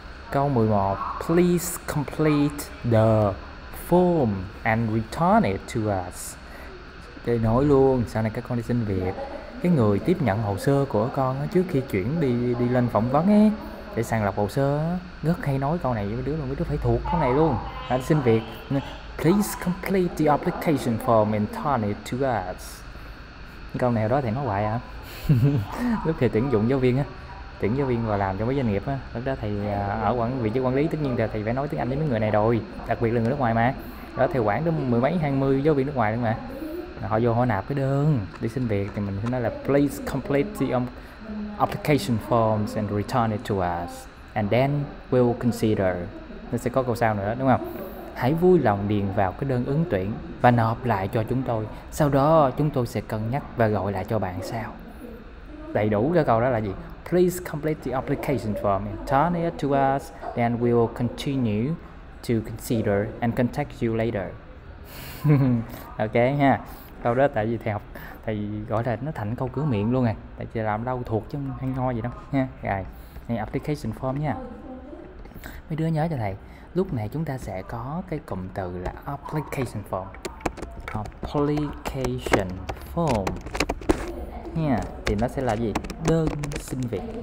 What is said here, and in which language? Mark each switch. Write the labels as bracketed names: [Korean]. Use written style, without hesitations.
[Vietnamese] Câu 11, [English] please complete the form and return it to us. [Vietnamese] Để nói luôn, sau này các con đi xin việc, cái người tiếp nhận hồ sơ của con đó, trước khi chuyển đi đi lên phỏng vấn ấy, để sàng lọc hồ sơ đó, rất hay nói câu này với mấy đứa phải thuộc câu này luôn. Đã đi xin việc, [English] please complete the application form and return it to us. [Vietnamese] Câu này đó thì nói hoài à. Lúc thì tuyển dụng giáo viên á, tuyển giáo viên vào làm cho mấy doanh nghiệp á, lúc đó thầy ở quản vị trí quản lý tất nhiên là thầy phải nói tiếng Anh với mấy người này rồi, đặc biệt là người nước ngoài mà đó, thì khoảng đến mười mấy 20 giáo viên nước ngoài luôn mà, họ vô họ nạp cái đơn đi xin việc thì mình sẽ nói là [English] please complete the application forms and return it to us and then we'll consider. [Vietnamese] Nó sẽ có câu sau nữa đúng không? Hãy vui lòng điền vào cái đơn ứng tuyển và nộp lại cho chúng tôi, sau đó chúng tôi sẽ cân nhắc và gọi lại cho bạn sau. Đầy đủ cái câu đó là gì? [English] Please complete the application form and return it to us, then we will continue to consider and contact you later. [Vietnamese] Ok ha. Câu đó tại vì thầy học thầy gọi là nó thành câu cửa miệng luôn à, tại vì làm đâu thuộc chứ hay ho gì đâu ha. Rồi, này application form nha. Mấy đứa nhớ cho thầy, lúc này chúng ta sẽ có cái cụm từ là application form. Application form. Nha, thì nó sẽ là gì? Đơn xin việc.